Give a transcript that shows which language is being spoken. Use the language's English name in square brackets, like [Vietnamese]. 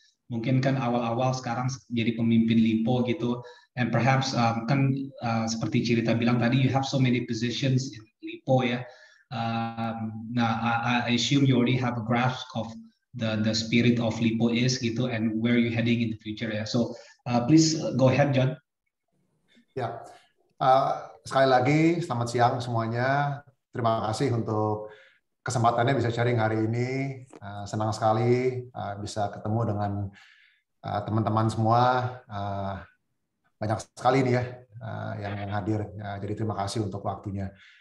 [Indonesian] Mungkin kan awal-awal sekarang jadi pemimpin Lipo gitu. [English] And perhaps [Indonesian] kan seperti cerita bilang tadi, [English] you have so many positions in Lipo ya. Nah, I assume you already have a grasp of the spirit of Lipo is gitu, and where you heading in the future ya. So please go ahead, John. [Indonesian] Sekali lagi selamat siang semuanya. Terima kasih untuk kesempatannya bisa sharing hari ini. Senang sekali bisa ketemu dengan teman-teman semua. Banyak sekali nih ya yang hadir. Jadi terima kasih untuk waktunya.